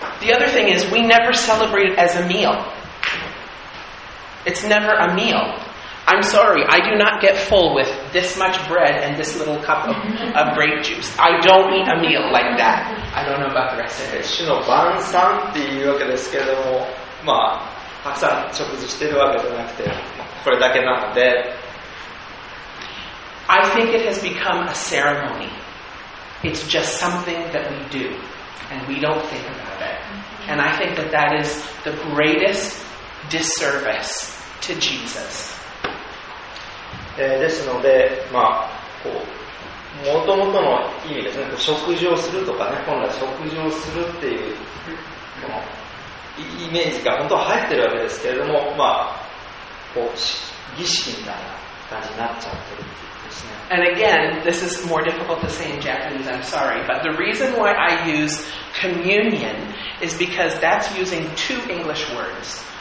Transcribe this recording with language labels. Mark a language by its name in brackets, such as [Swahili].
[English] The other thing is we never celebrate it as a meal. It's never a meal. I'm sorry, I do not get full with this much bread and this little cup of grape juice. I don't eat a meal like that. I don't know about the rest of it. [Japanese] 主の晩餐っていうわけですけども、まあ、たくさん食事してるわけじゃなくて、これだけなので。 [English] I think it has become a ceremony. It's just something that we do, and we don't think about it. And I think that that is the greatest... Disservice to Jesus. [Japanese] ですので、まあ、こう、もともとの意味ですね、食事をするとかね、本来食事をするっていうこのイメージが本当は入ってるわけですけれども、まあ、こう、儀式みたいな感じになっちゃってるっていうですね。 [English] And again, this is more difficult to say in Japanese, I'm sorry, but the reason why I use communion is because that's using two English words.